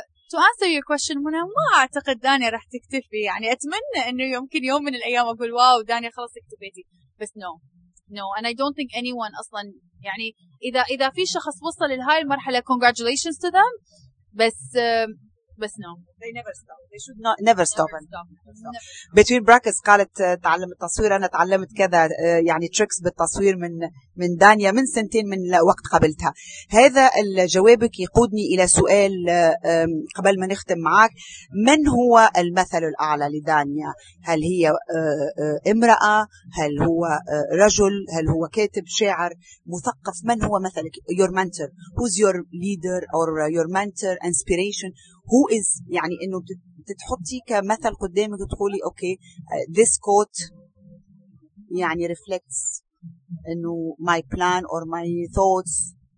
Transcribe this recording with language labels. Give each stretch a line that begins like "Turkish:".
English: To answer your question
Arabic: منى، ما أعتقد دانيا رح تكتفي، يعني أتمنى إنه يمكن يوم من الأيام أقول واو دانيا خلص اكتفيتي، بس
English: no and I don't think anyone
Arabic: أصلاً، يعني إذا في شخص وصل لهاي المرحلة
English: congratulations to them،
Arabic: بس no
English: they never stop they should not never stop, never stop. Between brackets
Arabic: قالت تعلم التصوير، أنا تعلمت كذا يعني tricks بالتصوير من دانيا من سنتين من وقت قابلتها. هذا جوابك يقودني إلى سؤال قبل ما نختم معك، من هو المثل الأعلى لدانيا؟ هل هي امرأة؟ هل هو رجل؟ هل هو كاتب شاعر مثقف؟ من هو مثلك؟
English: your mentor who's your leader or your mentor inspiration who is،
Arabic: يعني إنه تتحطي كمثل قدامك وتقولي
English: okay this quote
Arabic: يعني reflects إنه
English: my plan or my thoughts.